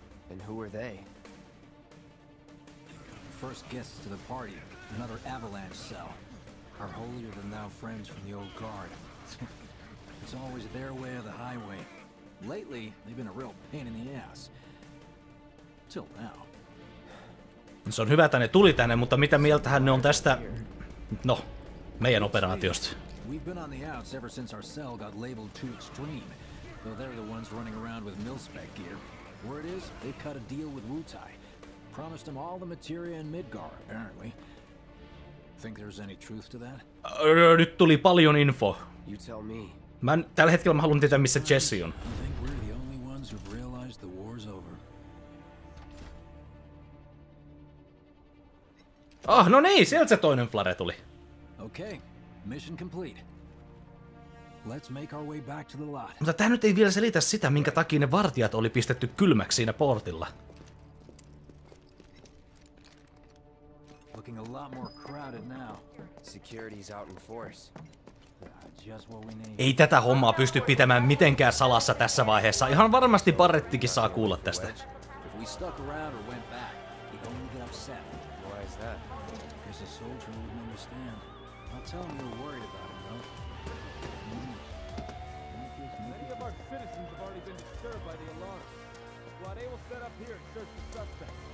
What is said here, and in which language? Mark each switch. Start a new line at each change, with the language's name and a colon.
English: And who are they? First guests to the party, another avalanche cell. Our holier-than-thou friends from the old guard. It's always their way or the highway. Lately, they've been a real pain in the ass. Till now.
Finnish: Se on hyvä, että ne tuli tänne, mutta mitä mieltähän ne on tästä... No, meidän operaatiosta.
English: We've been on the outs ever since our cell got labeled too extreme. Though they're the ones running around with mil-spec gear. Word is, they cut a deal with Wutai. Promised them all the materia in Midgar, apparently. Think there's any truth to that?
Finnish: Nyt tuli paljon info.
English: You tell me.
Finnish: Tällä hetkellä mä haluan tietää, missä Jesse on.
English: I think we're the only ones who've realized the war's over.
Finnish: Ah, no niin, sieltä se toinen flare tuli.
English: Okay, mission complete. Let's make our way back to the lot.
Finnish: Mutta tää nyt ei vielä selitä sitä, minkä takia ne vartijat oli pistetty kylmäksi siinä portilla.
English: Looking a lot more crowded now. Security's out in force. Just what we need.
Finnish: Ei tätä hommaa pysty pitämään mitenkään salassa tässä vaiheessa. Ihan varmasti Barrettikin saa kuulla tästä.
English: If we stuck around or went back, he'd only get upset. Why is that? Because a soldier wouldn't understand. I'll tell him you're worried about him, though. Many of our citizens have already been disturbed by the alarm. Squad A will set up here and search the suspect.